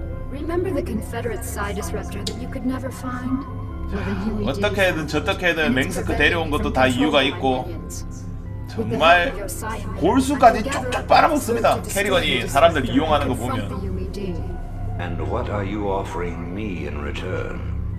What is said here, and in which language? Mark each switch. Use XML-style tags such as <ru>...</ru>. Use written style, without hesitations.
<en>Remember the Confederate Psi Disruptor that you could never find?</en> <ko>어떻게든 저떻게든 맹스크 데려온 것도 다 이유가 있고 정말 골수까지 쪽쪽 빨아먹습니다. 캐리건이 사람들 이용하는 거 보면.</ko> <en>And what are you offering me in return?</en>